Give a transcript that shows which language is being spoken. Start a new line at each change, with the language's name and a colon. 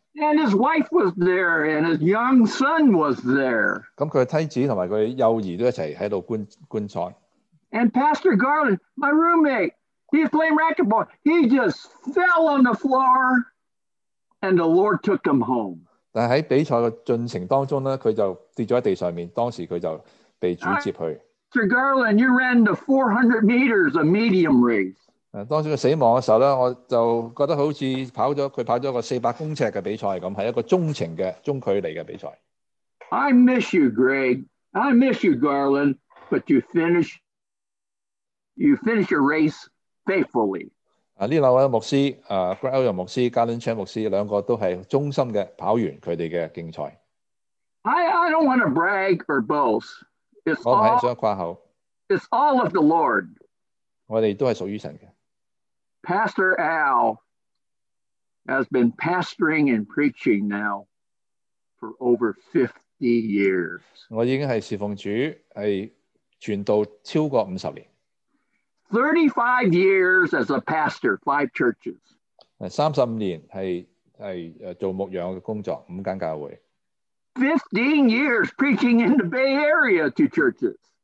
English: And his wife was there, and his young son was there.
Chinese: 他的妻子和他幼儿都一起在观赛。
English: And Pastor Garland, my roommate, he was playing racquetball. He just fell on the floor, and the Lord took him home.
Chinese: 但在比赛的进程当中，他就跌在地上，当时他就被主接去。
English: Pastor Garland, you ran the 400 meters, a medium race.
Chinese: 当时他死亡的时候，我就觉得好像跑了他跑了个400公尺的比赛，是一个中程的中距离的比赛。
English: I miss you, Greg. I miss you, Garland. But you finish your race faithfully.
Chinese: 这两位牧师，Greg Owen牧师、 Garland Chan牧师 两个都是忠心的跑完他们的竞赛。
English: I don't want to brag or boast.
Chinese: 我不是想夸口。
English: It's all of the Lord.
Chinese: 我们都是属于神的。
English: Pastor Al has been pastoring and preaching now for over 50 years.
Chinese: 我已经是侍奉主，是传道超过50年。
English: 35 years as a pastor, 5 churches.
Chinese: 35年是做牧养的工作，5间教会。
English: 15 years preaching in the Bay Area to churches.